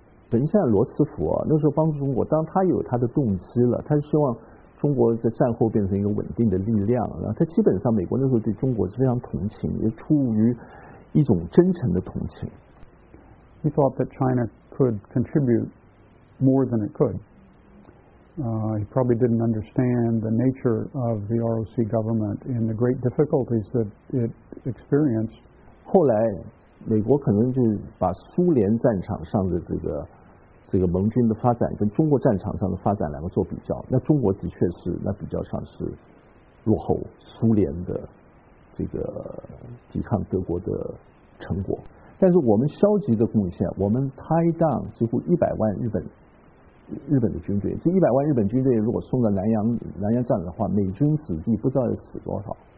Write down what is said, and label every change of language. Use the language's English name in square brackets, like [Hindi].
[Chinese] 等一下，罗斯福啊，那时候帮助中国，当他有他的动机了，他希望中国在战后变成一个稳定的力量。然后他基本上，美国那时候对中国是非常同情，也出于一种真诚的同情。 [English] He thought that China could contribute more than it could. He probably didn't understand the nature of the ROC government and the great difficulties that it experienced. [Chinese] 后来，美国可能就把苏联战场上的这个盟军的发展跟中国战场上的发展两个做比较，那中国的确是那比较上是落后苏联的这个抵抗德国的成果，但是我们消极的贡献，我们 [English] tie down [Chinese] 几乎100万日本的军队，这100万日本军队如果送到南洋战的话，美军子弟不知道要死多少。